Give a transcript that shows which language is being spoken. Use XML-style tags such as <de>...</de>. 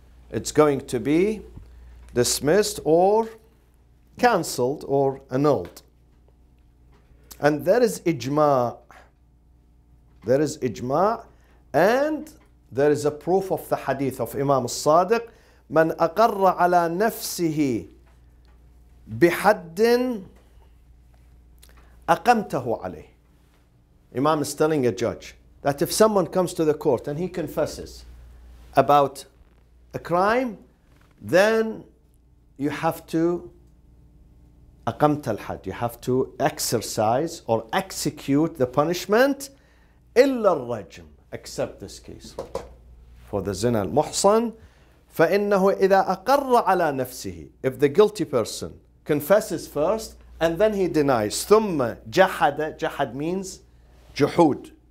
<en>It's going to be dismissed or cancelled or annulled. And there is ijma. There is ijma, and there is a proof of the hadith of Imam al-Sadiq.</en> <ar>من أقر على نفسه بحد أقمته عليه.</ar> <en>Imam is telling a judge that if someone comes to the court and he confesses about a crime, then you have to</en> <ar>أقمت الحد.</ar> <en>You have to exercise or execute the punishment</en> <ar>إلا الرجم.</ar> <en>Except this case for the zina al-muhsan.</en> <ar>فإنه إذا أقر على نفسه.</ar> <en>If the guilty person confesses first and then he denies.</en> <ar>ثم جحد. جحد</ar> <en>means</en> <ar>جحود.</ar>